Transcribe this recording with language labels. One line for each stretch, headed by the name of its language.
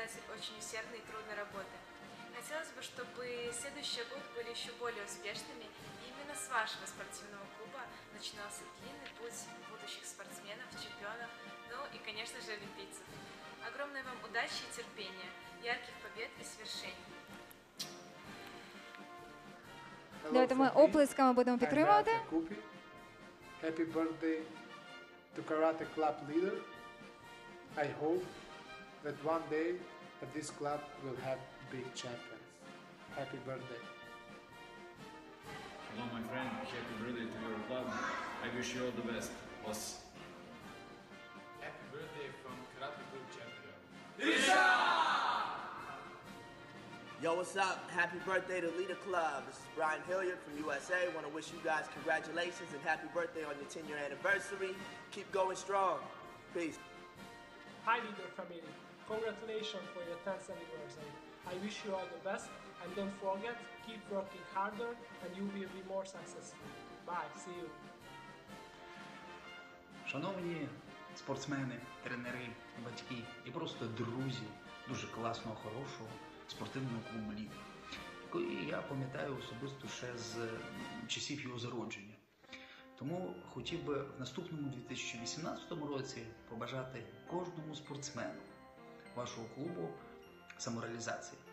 Russian: Очень усердной и трудной работы. Хотелось бы, чтобы следующий год был еще более успешными. И именно с вашего спортивного клуба начинался длинный путь будущих спортсменов, чемпионов, ну и, конечно же, олимпийцев. Огромной вам удачи и терпения, ярких побед и свершений.
English: Hello,
Russian: давайте мы оплесками будем поддерживать.
English: Happy birthday to Karate Club Leader. I hope that one day that this club will have big champions. Happy birthday. Hello, my friend. Happy birthday to your club. I wish you all the best. Boss. Happy birthday from Karate Club Champion. Isha! Yo, what's up? Happy birthday to Leader Club. This is Brian Hilliard from USA. Want to wish you guys congratulations and happy birthday on your 10-year anniversary. Keep going strong. Peace. Hi, Leader family. Congratulations for your 10th anniversary. I wish you all the best, and don't forget, keep working harder, and you will be more successful. Bye, see you.
Ukrainian: Шановні спортсмени, тренери, батьки і просто друзі дуже класного, хорошого спортивного клубу «Лідер», який я пам'ятаю особисто ще з часів його зародження. Тому хотів би в наступному 2018 році побажати кожному спортсмену вашого клубу самореалізації.